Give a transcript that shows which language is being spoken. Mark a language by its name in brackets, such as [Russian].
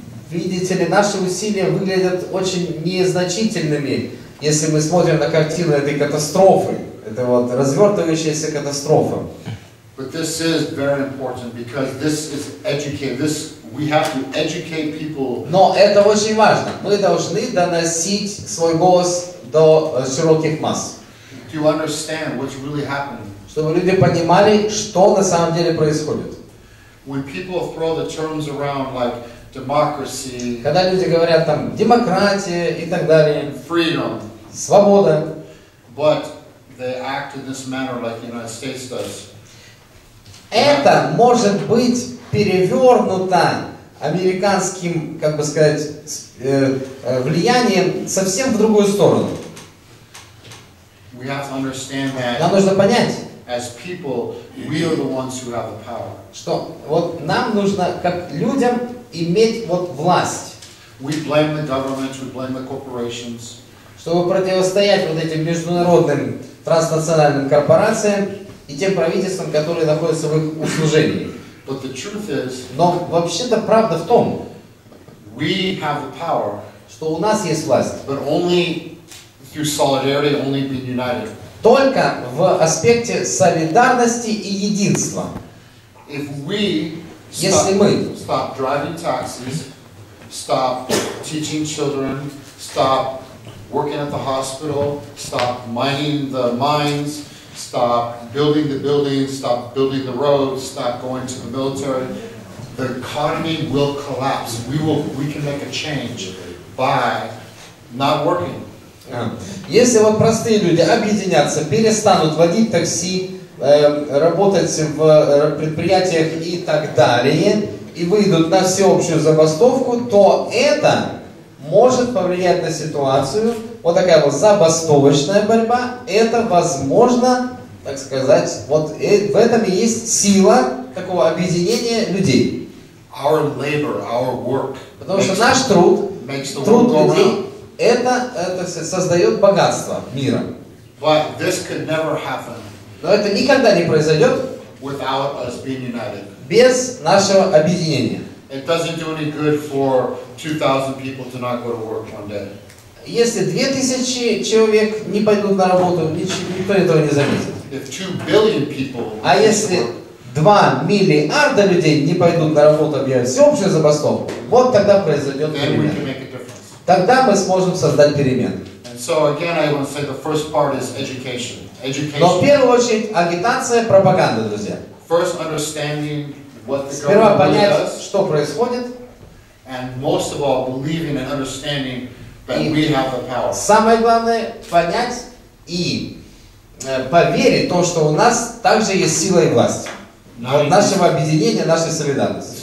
[Russian] Видите ли, наши усилия выглядят очень незначительными, если мы смотрим на картину этой катастрофы, это вот развертывающаяся катастрофа. [English] But this is very important because this is educated. This We have to educate people. [Russian] Но это очень важно. Мы должны доносить свой голос до широких масс. [English] To understand what's really happening. [Russian] Чтобы люди понимали, что на самом деле происходит. [English] When people throw the terms around like democracy. [Russian] Когда люди говорят там демократия и так далее. [English] Freedom. [Russian] Свобода. [English] But they act in this manner like the United States does. [Russian] Это может быть перевернуто американским, как бы сказать, влиянием совсем в другую сторону. [English] We have to understand that. [Russian] Нам нужно понять. [English] As people, we are the ones who have the power. [Russian] Что? Вот нам нужно как людям иметь вот власть. [English] We blame the governments, we blame the corporations. [Russian] Чтобы противостоять вот этим международным транснациональным корпорациям и тем правительствам, которые находятся в их услужении. [English] But the truth is, [Russian] но вообще-то правда в том, [English] we have the power, [Russian] что у нас есть власть. [English] But only through solidarity, only being united. [Russian] Только в аспекте солидарности и единства. [English] If we stop, [Russian] если мы [English] stop driving taxis, stop teaching children, stop working at the hospital, stop mining the mines, stop building the buildings, stop building the roads, stop going to the military, the economy will collapse. We can make a change by not working. [Russian] Если вот простые люди объединятся, перестанут водить такси, работать в предприятиях и так далее, и выйдут на всеобщую забастовку, то это может повлиять на ситуацию. Вот такая вот забастовочная борьба, это возможно, так сказать, вот в этом и есть сила такого объединения людей. [English] Our labor, our work. [Russian] Потому что наш труд, труд людей, это, создает богатство мира. [English] But this could never happen. [Russian] Но это никогда не произойдет [English] without us being united. [Russian] Без нашего объединения. [English] It doesn't do any good for 2,000 people to not go to work one day. [Russian] Если 2,000 человек не пойдут на работу, никто этого не заметит. [English] If 2 billion people, [Russian] а если 2 миллиарда людей не пойдут на работу, объявят всеобщую забастовку, вот тогда произойдет перемена. Тогда мы сможем создать перемен. [English] So again, I want to say the first part is education. [Russian] Но в первую очередь агитация, пропаганда, друзья. [English] First understanding what the government does. [Russian] Сперва понять, что происходит. [English] And most of all, believing and understanding that we have the power. [Russian] Самое главное понять и поверить в то, что у нас также есть сила и власть. Вот нашего объединения, нашей солидарности.